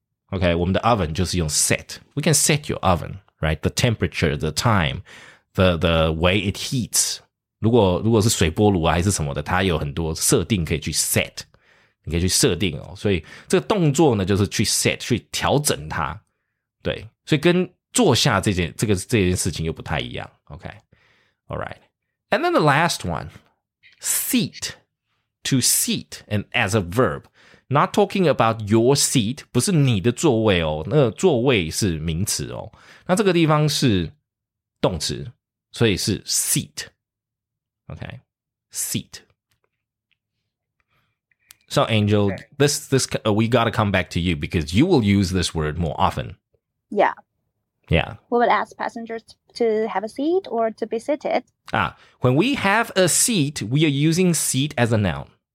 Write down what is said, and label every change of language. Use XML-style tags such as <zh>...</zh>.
<en>Okay,</en> <zh>我们的 oven 就是用 set.</zh> <en>We can set your oven, right? The temperature, the time, the way it heats.</en> <zh>如果是水波炉啊还是什么的，它有很多设定可以去 set. 你可以去设定哦。所以这个动作呢，就是去 set 去调整它。对，所以跟坐下这件事情又不太一样.</zh> <en>Okay. All right. And then the last one, seat, to seat, and as a verb. Not talking about your seat,</en> <zh>不是你的座位哦,那座位是名词哦,那这个地方是动词,所以是 seat.</zh> <en>Okay, seat. So Angel, we got to come back to you because you will use this word more often. Yeah. Yeah. We would ask passengers to have a seat or to be seated. Ah, when we have a seat, we are using seat as a noun.</en>